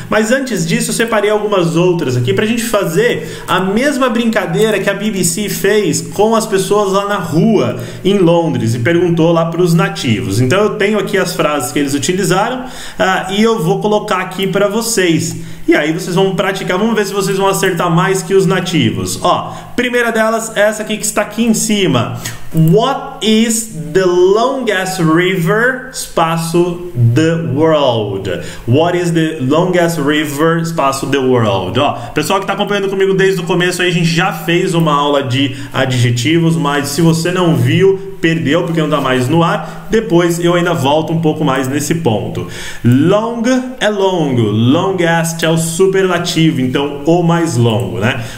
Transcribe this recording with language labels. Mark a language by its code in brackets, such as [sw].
[pt] Mas antes disso, eu separei algumas outras aqui pra gente fazer a mesma brincadeira que a BBC fez com as pessoas lá na rua em Londres e perguntou lá para os nativos. Então eu tenho aqui as frases que eles utilizaram e eu vou colocar aqui para vocês. E aí vocês vão praticar, vamos ver se vocês vão acertar mais que os nativos. Ó, primeira delas, essa aqui que está aqui em cima. [en] What is the longest river, [pt] espaço, [en] the world? What is the longest river, [pt] espaço, [en] the world? [pt] Ó, pessoal que está acompanhando comigo desde o começo, aí a gente já fez uma aula de adjetivos, mas se você não viu, perdeu, porque não está mais no ar. Depois eu ainda volto um pouco mais nesse ponto. Long é longo. Longest é o superlativo, então o mais longo, né?